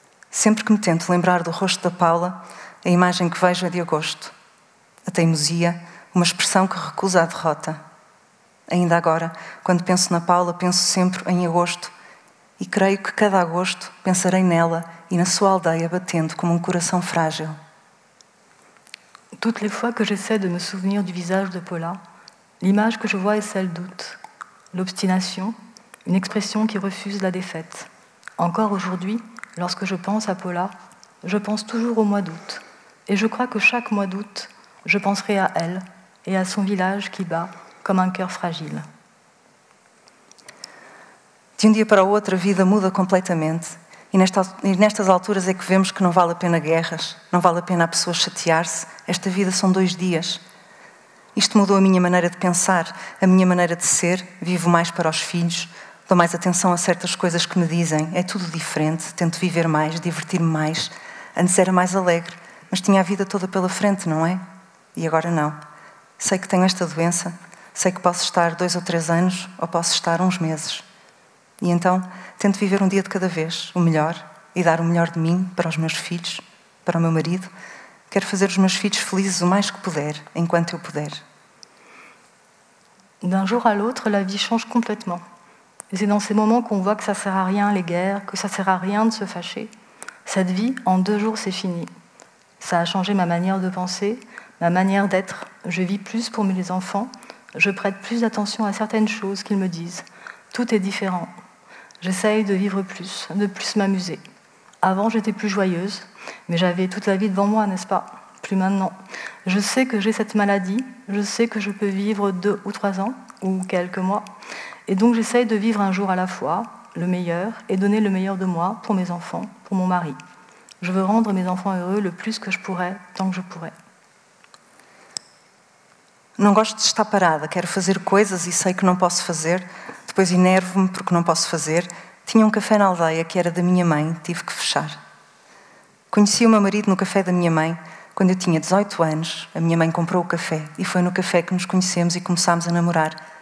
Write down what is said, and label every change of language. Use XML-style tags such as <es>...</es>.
<pt>Sempre que me tento lembrar do rosto da Paula, a imagem que vejo é de agosto. A teimosia, uma expressão que recusa a derrota. Ainda agora, quando penso na Paula, penso sempre em agosto e creio que cada agosto pensarei nela e na sua aldeia batendo como coração frágil.</pt> <fr>Toutes les fois que j'essaie de me souvenir du visage de Paula, l'image que je vois est celle d'août. L'obstination, une expression qui refuse la défaite. Encore aujourd'hui, lorsque je pense à Paula, je pense toujours au mois d'août. Et je crois que chaque mois d'août, je penserai à elle et à son village qui bat comme un cœur fragile.</fr> <pt>De um dia para o outro, a vida muda completamente. E nestas alturas é que vemos que não vale a pena guerras, não vale a pena a pessoa chatear-se. Esta vida são dois dias. Isto mudou a minha maneira de pensar, a minha maneira de ser. Vivo mais para os filhos, dou mais atenção a certas coisas que me dizem. É tudo diferente, tento viver mais, divertir-me mais. Antes era mais alegre, mas tinha a vida toda pela frente, não é? E agora não. Sei que tenho esta doença, sei que posso estar dois ou três anos, ou posso estar uns meses. E então, tento viver um dia de cada vez, o melhor, e dar o melhor de mim para os meus filhos, para o meu marido. Quero fazer os meus filhos felizes o mais que puder, enquanto eu puder.</pt> <fr>D'un jour à l'autre, la vie change complètement. Et c'est dans ces moments qu'on voit que ça sert à rien les guerres, que ça sert à rien de se fâcher. Cette vie, en deux jours, c'est fini. Ça a changé ma manière de penser, ma manière d'être. Je vis plus pour mes enfants, je prête plus attention à certaines choses qu'ils me disent. Tout est différent. J'essaye de vivre plus, de plus m'amuser. Avant, j'étais plus joyeuse, mais j'avais toute la vie devant moi, n'est-ce pas? Plus maintenant. Je sais que j'ai cette maladie, je sais que je peux vivre deux ou trois ans, ou quelques mois, et donc j'essaye de vivre un jour à la fois, le meilleur, et donner le meilleur de moi pour mes enfants, pour mon mari. Je veux rendre mes enfants heureux le plus que je pourrais, tant que je pourrais.</fr> <pt>Não gosto de estar parada, quero fazer coisas e sei que não posso fazer, depois enervo-me porque não posso fazer. Tinha um café na aldeia que era da minha mãe, tive que fechar. Conheci o meu marido no café da minha mãe, quando eu tinha 18 anos, a minha mãe comprou o café e foi no café que nos conhecemos e começámos a namorar.</pt>